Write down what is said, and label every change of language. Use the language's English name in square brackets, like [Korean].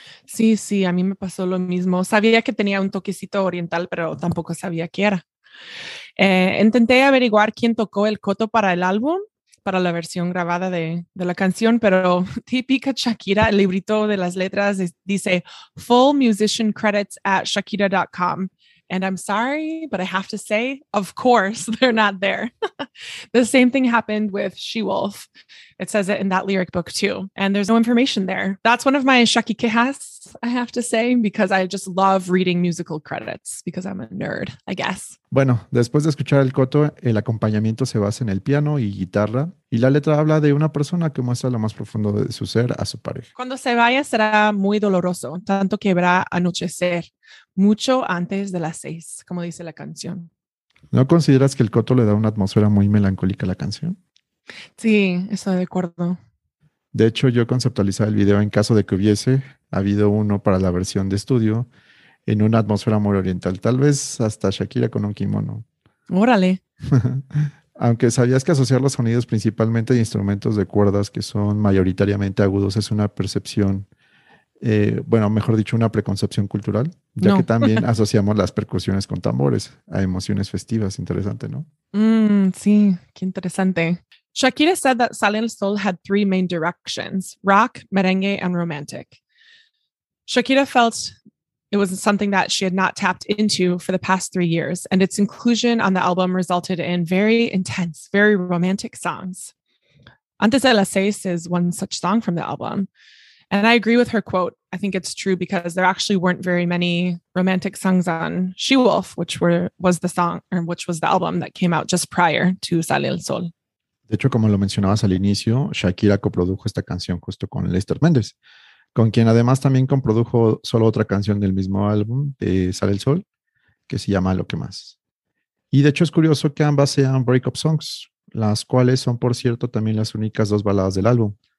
[Spanish] Sí, sí, a mí me pasó lo mismo. Sabía que tenía un toquecito oriental, pero tampoco sabía qué era. Intenté averiguar quién tocó el coto para el álbum, para la versión grabada de la canción, pero típica Shakira, el librito de las letras dice [English] "Full musician credits at shakira.com. And I'm sorry, but I have to say, of course, they're not there." The same thing happened with She-Wolf. It says it in that lyric book too. And there's no information there. That's one of my Shaki quejas, I have to say, because I just love reading musical credits because I'm a nerd, I guess. [Spanish] Bueno, después de escuchar el coto, el acompañamiento se basa en el piano y guitarra. Y la letra habla de una persona que muestra lo más profundo de su ser a su pareja. Cuando se vaya será muy doloroso, tanto que verá anochecer mucho antes de las 6, como dice la canción. ¿No consideras que el coto le da una atmósfera muy melancólica a la canción? Sí, estoy de acuerdo. De hecho, yo conceptualizaba el video en caso de que hubiese habido uno para la versión de estudio en una atmósfera muy oriental, tal vez hasta Shakira con un kimono. ¡Órale! Aunque sabías que asociar los sonidos principalmente de instrumentos de cuerdas que son mayoritariamente agudos es una percepción, una preconcepción cultural, ya no. Que también asociamos las percusiones con tambores a emociones festivas. Interesante, ¿no? Sí, qué interesante. [English] Shakira said that Salen Sol had 3 main directions: rock, merengue, and romantic. Shakira felt it was something that she had not tapped into for the past 3 years, and its inclusion on the album resulted in very intense, very romantic songs. Antes de las 6 is one such song from the album. And I agree with her quote. I think it's true because there actually weren't very many romantic songs on She-Wolf, which was the album that came out just prior to Sale el Sol. [Spanish] De hecho, como lo mencionabas al inicio, Shakira coprodujo esta canción justo con Lester Méndez, con quien además también coprodujo solo otra canción del mismo álbum de Sale el Sol, que se llama Lo que más. Y de hecho es curioso que ambas sean [English] breakup songs, [Spanish] las cuales son, por cierto, también las únicas 2 baladas del álbum.